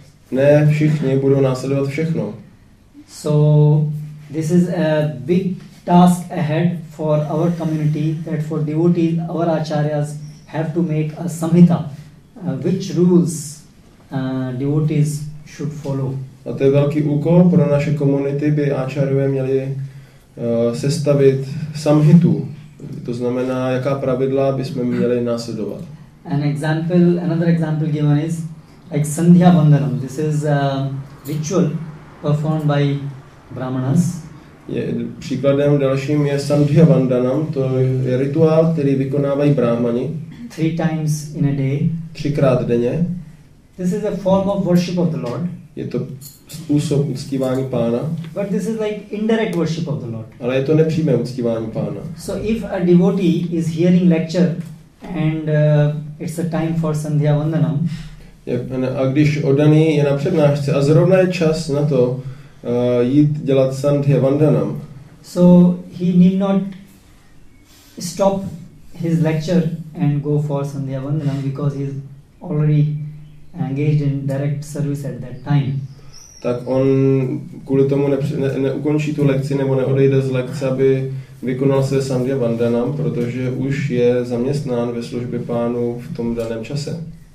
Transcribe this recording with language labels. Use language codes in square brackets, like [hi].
[cs] Ne, všichni budou následovat všechno. [en] So this is a big task ahead for our community, that for devotees, our acharyas have to make a samhita, which rules devotees should follow. [cs] A to je velký úkol pro naše komunity, by acharyové měli sestavit samhitu. To znamená, jaká pravidla bychom měli následovat. [en] Another example given is like Sandhya Vandanam. This is a ritual performed by Brahmanas. [cs] Příkladem dalším je Sandhya Vandanam. To je rituál, který vykonávají Brahmani. [en] Three times in a day. [cs] Třikrát denně. [en] This is a form of worship of the Lord. [cs] Je to způsob uctívání pána. [en] But this is like indirect worship of the Lord. [cs] Ale je to nepřímé uctívání pána. [en] So if a devotee is hearing lecture and it's a time for Sandhya Vandanam. [cs] A když oddaný je na přednášce a zrovna je čas na to jít dělat Sandhya Vandanam. [en] So he need not stop his lecture and go for Sandhya Vandanam because he is already engaged in direct service at that time. [cs] tak on kvůli tomu neukončí tu lekci nebo neodejde z lekce, aby vykonal své sandhya vandanam, protože už je zaměstnán ve službě pánu v tom daném čase.